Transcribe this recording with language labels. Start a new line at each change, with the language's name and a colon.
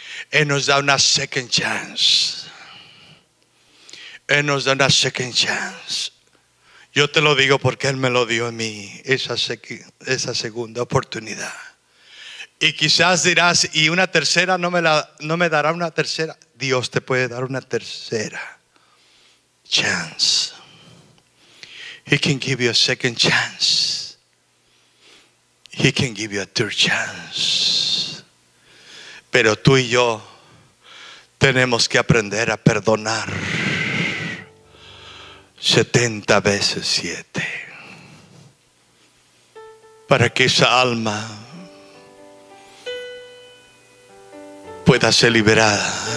Spanish: Él nos da una
English: second chance.
Spanish: Él nos da una second chance. Yo te lo digo porque Él me lo dio a mí, esa segunda oportunidad. Y quizás dirás: y una tercera, no me dará una tercera. Dios te puede dar una tercera chance.
English: He can give you a second chance. He can give you a third chance.
Spanish: Pero tú y yo tenemos que aprender a perdonar 70 veces 7. Para que esa alma pueda ser liberada.